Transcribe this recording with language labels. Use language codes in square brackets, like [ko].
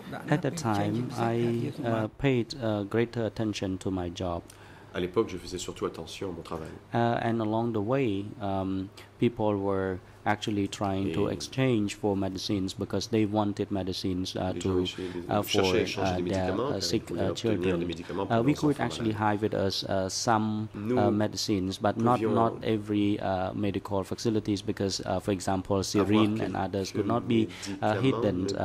[en] At the time, I paid greater attention to my job. [fr] À l'époque, je faisais surtout attention à mon travail. [en] And along the way, people were actually trying to exchange for medicines because they wanted medicines for their sick children. We could actually hive with us some medicines, but not every medical facilities because, for example, serine and others could not be hidden.